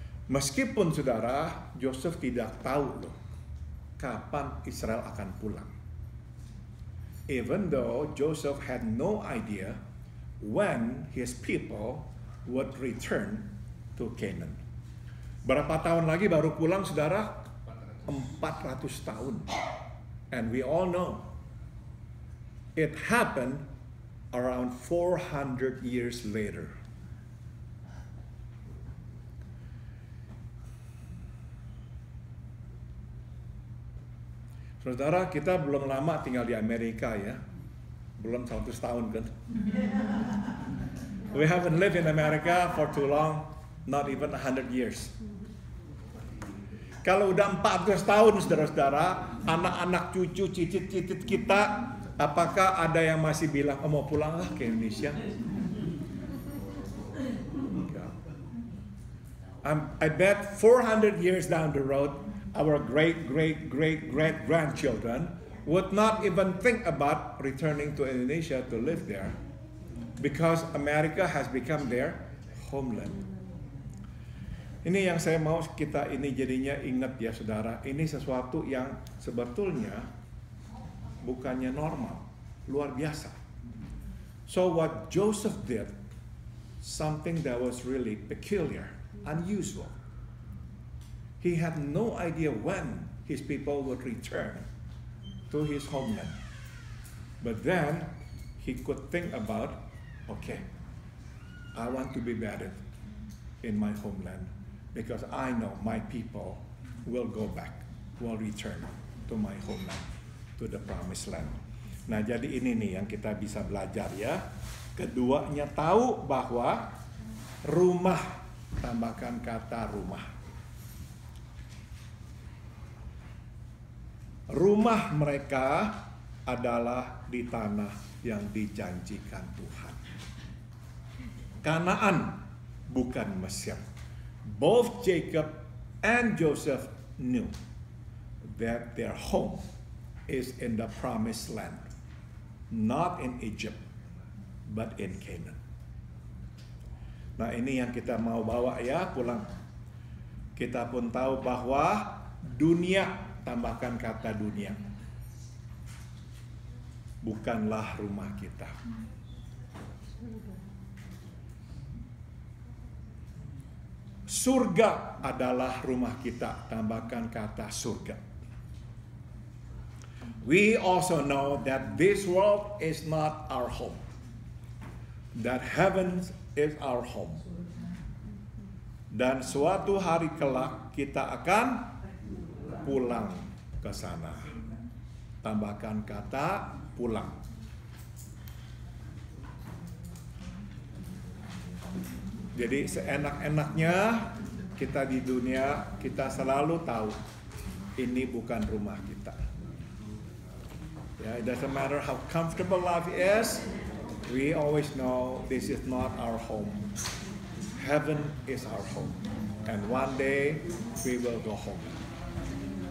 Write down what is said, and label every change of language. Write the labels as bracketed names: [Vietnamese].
[Indonesian] Meskipun saudara, Joseph tidak tahu loh kapan Israel akan pulang. [English] Even though Joseph had no idea when his people would return to Canaan. [Indonesian] Berapa tahun lagi baru pulang saudara? 400 tahun. [English] And we all know it happened around 400 years later. [Indonesian] Saudara, kita belum lama tinggal di Amerika ya. Belum 100 tahun kan? [English] We haven't lived in America for too long, not even 100 years. [Indonesian] Kalau udah 400 tahun saudara-saudara, anak-anak cucu cicit-cicit kita, apakah ada yang masih bilang, "Oh, mau pulang lah ke Indonesia?" [English] I bet 400 years down the road, our great-great-great-great-grandchildren would not even think about returning to Indonesia to live there, because America has become their homeland. [Indonesian] Ini yang saya mau kita ini jadinya ingat ya saudara, ini sesuatu yang sebetulnya bukannya normal, luar biasa. [English] So what Joseph did, something that was really peculiar, unusual. He had no idea when his people would return to his homeland. But then he could think about, "Okay, I want to be buried in my homeland, because I know my people will go back, will return to my homeland, to the promised land." [Indonesian] Nah, jadi ini nih yang kita bisa belajar ya. Keduanya tahu bahwa rumah, tambahkan kata rumah. Rumah mereka adalah di tanah yang dijanjikan Tuhan. Kanaan, bukan Mesir. [English] Both Jacob and Joseph knew that their home is in the promised land, not in Egypt, but in Canaan. [Indonesian] Nah, ini yang kita mau bawa ya pulang. Kita pun tahu bahwa dunia, tambahkan kata dunia, bukanlah rumah kita. Surga adalah rumah kita, tambahkan kata surga. [English] We also know that this world is not our home, that heaven is our home. [Indonesian] Dan suatu hari kelak kita akan pulang ke sana. Tambahkan kata pulang. Jadi seenak-enaknya kita di dunia, kita selalu tahu ini bukan rumah kita. [English] Yeah, it doesn't matter how comfortable life is, we always know this is not our home. Heaven is our home. And one day we will go home.